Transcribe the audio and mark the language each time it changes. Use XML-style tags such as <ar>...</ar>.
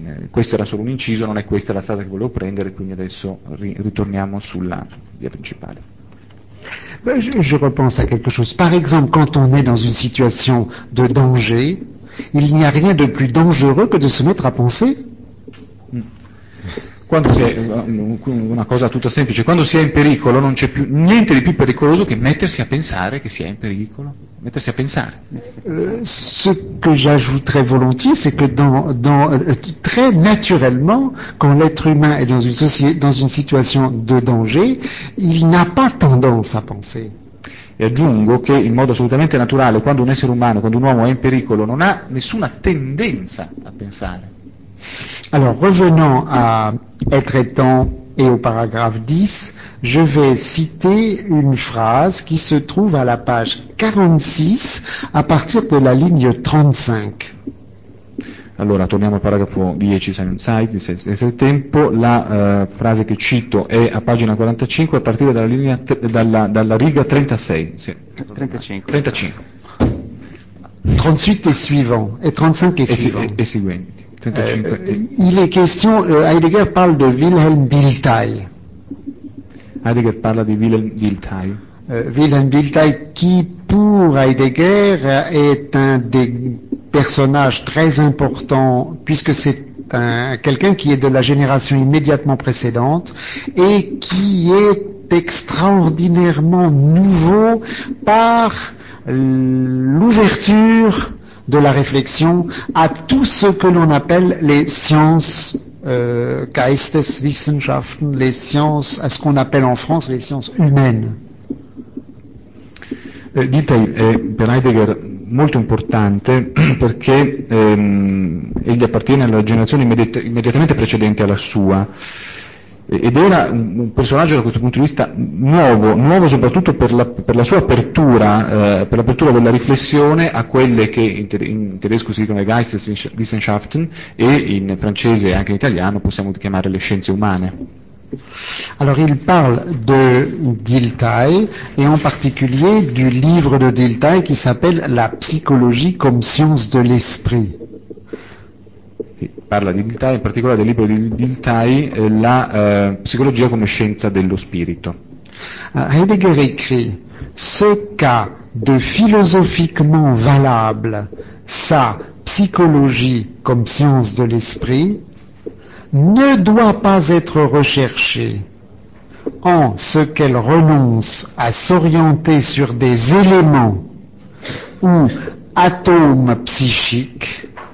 <it>Questo era solo un inciso, non è questa la strada che volevo prendere, quindi adesso ritorniamo sulla via principale.</it> <fr>Je repense à quelque chose. Par exemple, quand on est dans une situation de danger, il n'y a rien de plus dangereux que de se mettre à penser.</fr> <it>Quando si è, una cosa tutta semplice, quando si è in pericolo non c'è più niente di più pericoloso che mettersi a pensare che si è in pericolo, mettersi a pensare.</it> <fr>Ce que j'ajouterais volontiers, c'est que dans très naturellement, quand l'être humain est dans une situation de danger, il n'a pas tendance à penser.</fr> <it>E aggiungo che in modo assolutamente naturale, quando un essere umano, quando un uomo è in pericolo, non ha nessuna tendenza a pensare.</it> <fr>Alors, revenons à Être et temps et au paragraphe 10, je vais citer une phrase qui se trouve à la page 46 à partir de la ligne 35.</fr> <it>Allora, torniamo al paragrafo 10, se il tempo, la frase che cito è a pagina 45 a partire dalla linea dalla riga 36. Sì. 38 e seguenti.</it> <fr>Il est question, Heidegger parle de Wilhelm Dilthey. Heidegger parle de Wilhelm Dilthey. Wilhelm Dilthey, qui pour Heidegger est un des personnages très importants, puisque c'est quelqu'un qui est de la génération immédiatement précédente et qui est extraordinairement nouveau par l'ouverture de la réflexion à tout ce que l'on appelle les sciences Geisteswissenschaften, les sciences, à ce qu'on appelle en France les sciences humaines.</fr> <it>Dilthey è per Heidegger molto importante perché egli appartiene alla generazione immediatamente precedente alla sua. Ed era un personaggio da questo punto di vista nuovo soprattutto per la sua apertura, per l'apertura della riflessione a quelle che in tedesco si dicono Geisteswissenschaften e in francese e anche in italiano possiamo chiamare le scienze umane.</it> <fr>Alors il parle de Dilthey et en particulier du livre de Dilthey qui s'appelle La psychologie comme science de l'esprit.</fr> <it>Parla di Dilthey, in particolare del libro di Dilthey, la psicologia come scienza dello spirito.</it> <fr>Heidegger écrit: ce cas de philosophiquement valable, sa psychologie comme science de l'esprit, ne doit pas être recherché en ce qu'elle renonce à s'orienter sur des éléments ou atomes psychiques,</fr>